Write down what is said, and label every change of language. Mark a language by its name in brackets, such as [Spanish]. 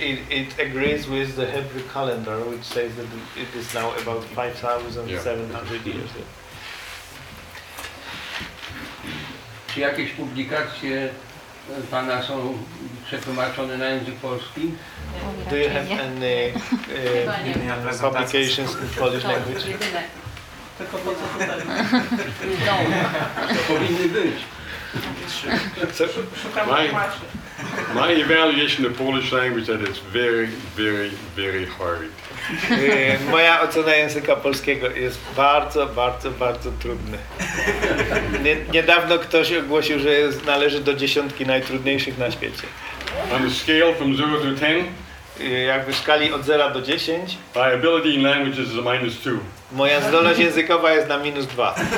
[English] It agrees with the Hebrew calendar, which says that it is now about 5,700 years. [Polish] Czy jakieś publikacje pana są przetłumaczone na język polski? [English] Do you have any publications in Polish language? [Polish] Jedyne. Tylko po co tutaj? To powinny być. [English] My evaluation of Polish language that is very, very, very hard. [Polish] Moja ocena języka polskiego jest bardzo, bardzo, bardzo trudna. Niedawno ktoś ogłosił, że jest, należy do dziesiątki najtrudniejszych na świecie. [English] On a scale from 0 to 10. [Polish] Jak w skali od 0 do 10. [English] My ability in languages is a minus 2. [Polish] Moja zdolność językowa jest na minus 2.